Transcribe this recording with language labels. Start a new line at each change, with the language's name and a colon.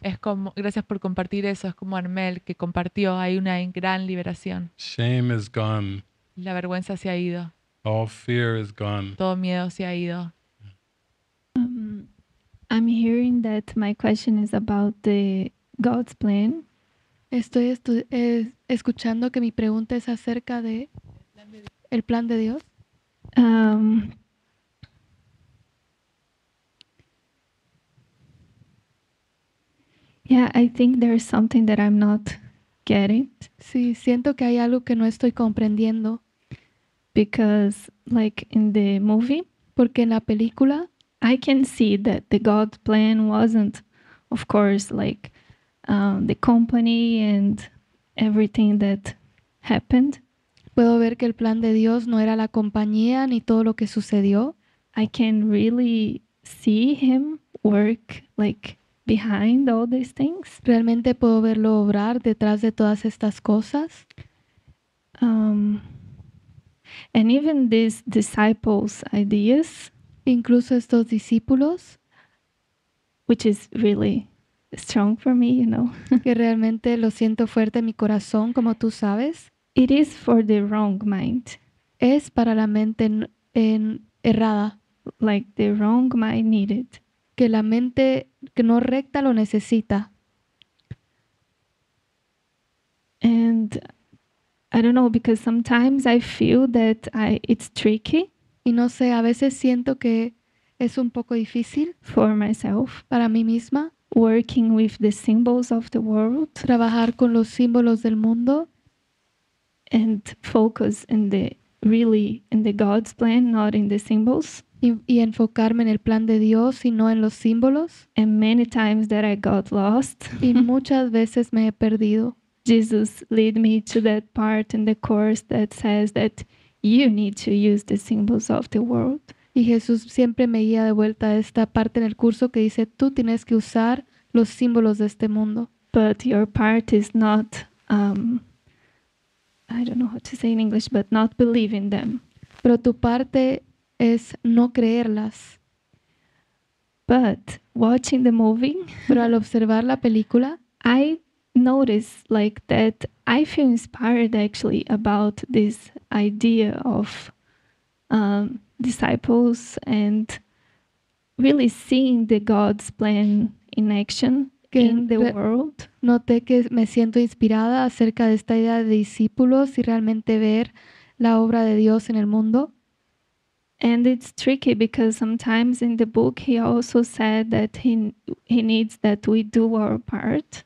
Spanish: Es como gracias por compartir eso. Es como Armel que compartió. Hay una gran liberación.
English: Shame is gone.
Spanish: La vergüenza se ha ido.
English: All fear is gone.
Spanish: Todo miedo se ha ido.
English: I'm hearing that my question is about the God's plan.
Spanish: Estoy escuchando que mi pregunta es acerca de el plan de Dios.
English: Yeah, I think there is something that I'm not getting.
Spanish: Sí, siento que hay algo que no estoy comprendiendo.
English: Because, like in the movie,
Spanish: porque en la película,
English: I can see that the God plan wasn't, of course, like the company and everything that happened.
Spanish: Puedo ver que el plan de Dios no era la compañía ni todo lo que sucedió.
English: I can really see him work, like, behind all these things.
Spanish: Realmente puedo verlo obrar detrás de todas estas cosas.
English: And even these disciples' ideas.
Spanish: Incluso estos discípulos.
English: Which is really strong for me, you know.
Spanish: Que realmente lo siento fuerte en mi corazón, como tú sabes.
English: It is for the wrong mind.
Spanish: Es para la mente errada.
English: Like the wrong mind needed.
Spanish: Que la mente que no recta lo necesita.
English: And I don't know, because sometimes I feel that it's tricky.
Spanish: Y no sé, a veces siento que es un poco difícil.
English: For myself.
Spanish: Para mí misma.
English: Working with the symbols of the world.
Spanish: Trabajar con los símbolos del mundo.
English: And focus in the God's plan, not in the symbols.
Spanish: Y enfocarme en el plan de Dios y no en los símbolos.
English: And many times that I got lost.
Spanish: Y muchas veces me he perdido.
English: Jesus led me to that part in the course that says that you need to use the symbols of the world.
Spanish: Y Jesús siempre me guía de vuelta a esta parte en el curso que dice tú tienes que usar los símbolos de este mundo.
English: But your part is not, I don't know how to say in English, but not believe in them.
Spanish: Pero tu parte es no creerlas.
English: But watching the movie,
Spanish: pero al observar la película,
English: I notice like that I feel inspired actually about this idea of disciples and really seeing the God's plan in action in the world.
Spanish: Noté que me siento inspirada acerca de esta idea de discípulos y realmente ver la obra de Dios en el mundo.
English: And it's tricky because sometimes in the book he also said that he needs that we do our part.